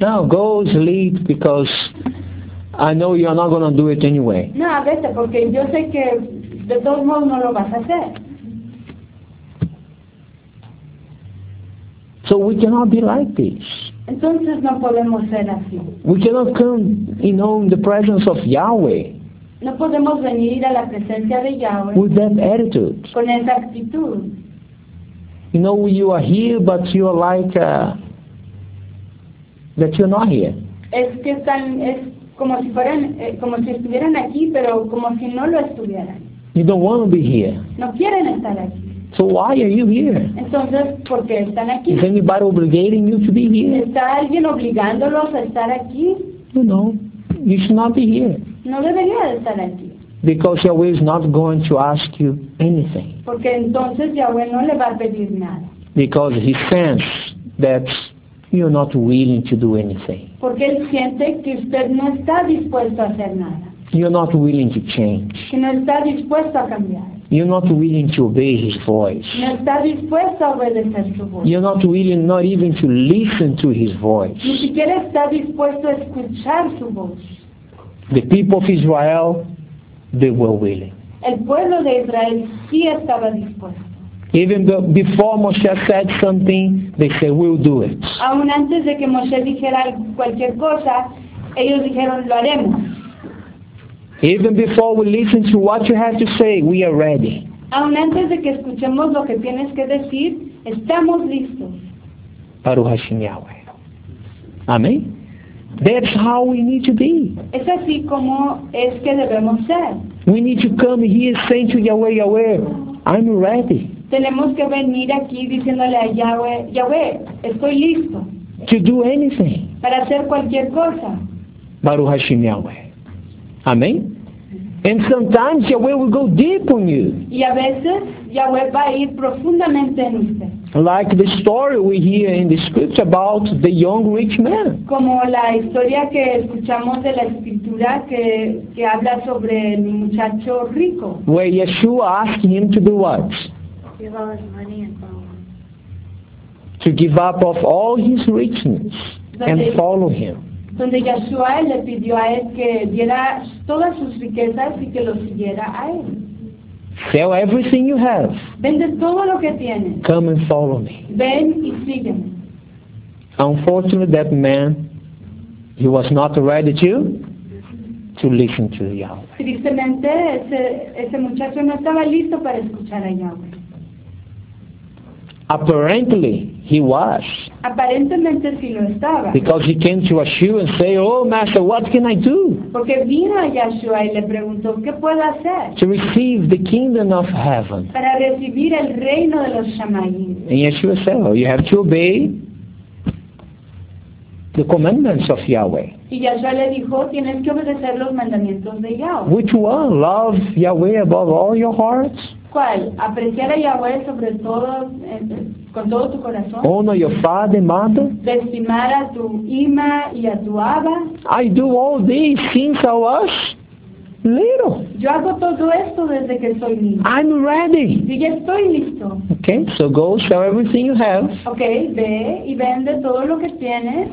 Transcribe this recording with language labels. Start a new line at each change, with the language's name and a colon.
English: No, go sleep because I know you're not going to do it anyway.
Spanish: No, vete, porque yo sé que de todos modos no lo vas a hacer.
English: So we cannot be like this.
Spanish: Entonces no podemos ser así.
English: We cannot come, you know, in the presence of Yahweh.
Spanish: No podemos venir a la presencia de Yahweh.
English: With that attitude.
Spanish: Con esa actitud.
English: You know, you are here, but you are like that you're not here.
Spanish: Es que están, es como si fueran, como si estuvieran aquí, pero como si no lo estuvieran.
English: You don't want to be here.
Spanish: No quieren estar aquí.
English: So why are you here?
Spanish: Entonces, ¿por qué están aquí?
English: Is anybody obligating you to be here?
Spanish: ¿Está alguien obligándolos a estar aquí?
English: You know, you should not be here.
Spanish: No debería de estar aquí.
English: Because Yahweh is not going to ask you anything.
Spanish: Porque entonces Yahweh no le va a pedir nada.
English: Because he senses that you're not willing to do anything.
Spanish: Porque él siente que usted no está dispuesto a hacer nada.
English: You're not willing to change.
Spanish: Que no está dispuesto a cambiar.
English: You're not willing to obey his voice.
Spanish: No está dispuesto a obedecer su voz.
English: You're not willing, not even to listen to his voice.
Spanish: Ni siquiera está dispuesto a escuchar su voz.
English: The people of Israel, they were willing.
Spanish: El pueblo de Israel sí estaba dispuesto.
English: Even before Moshe said something, they said, "We'll do it."
Spanish: Aún antes de que Moshe dijera cualquier cosa, ellos dijeron, "Lo haremos."
English: Even before we listen to what you have to say, we are ready.
Spanish: Aun antes de que escuchemos lo que tienes que decir, estamos listos.
Hebrew: Baruch Hashem Yahweh.
English: Amen. That's how we need to be.
Spanish: Es así como es que debemos ser.
English: We need to come here saying to Yahweh, Yahweh, I'm ready.
Spanish: Tenemos que venir aquí diciéndole a Yahweh, Yahweh, estoy listo.
English: To do anything.
Spanish: Para hacer cualquier cosa.
Hebrew: Baruch Hashem Yahweh. Amen.
English: And sometimes Yahweh will go deep on you.
Spanish: Y a veces Yahweh va a ir profundamente en usted.
English: Like the story we hear in the scripture about the young rich man.
Spanish: Como la historia que escuchamos de la escritura que habla sobre el muchacho rico.
English: Where Yeshua asked him to do what? Give all his money and to give up of all his richness and follow him.
Spanish: Donde Yeshua le pidió a él que diera todas sus riquezas y que lo siguiera a él.
English: Sell everything you have.
Spanish: Vende todo lo que tienes.
English: Come and follow me.
Spanish: Ven y sígueme.
English: Unfortunately, that man, he was not ready to listen to Yahweh.
Spanish: Tristemente, ese muchacho no estaba listo para escuchar a Yahweh.
English: Apparently, he was.
Spanish: Aparentemente sí lo estaba.
English: Because he came to Yeshua and said, "Oh, Master, what can I do?"
Spanish: Porque vino a Yeshua y le preguntó, ¿qué puedo hacer?
English: To receive the kingdom of heaven.
Spanish: Para recibir el reino de los Shamayim.
English: And Yeshua said, "Oh, you have to obey the commandments of Yahweh."
Spanish: Y Yeshua le dijo, tienes que obedecer los mandamientos de Yahweh.
English: Which one? Love Yahweh above all your hearts.
Spanish: ¿Cuál? Apreciar a Yahweh sobre todo. Con todo tu corazón.
English: Honor your father and mother.
Spanish: Estimar a tu ima y a tu aba.
English: I do all this since I was little.
Spanish: Yo hago todo esto desde que soy niño.
English: I'm ready.
Spanish: Y ya estoy listo.
English: Okay, so go sell everything you have.
Spanish: Okay, ve y vende todo lo que tienes.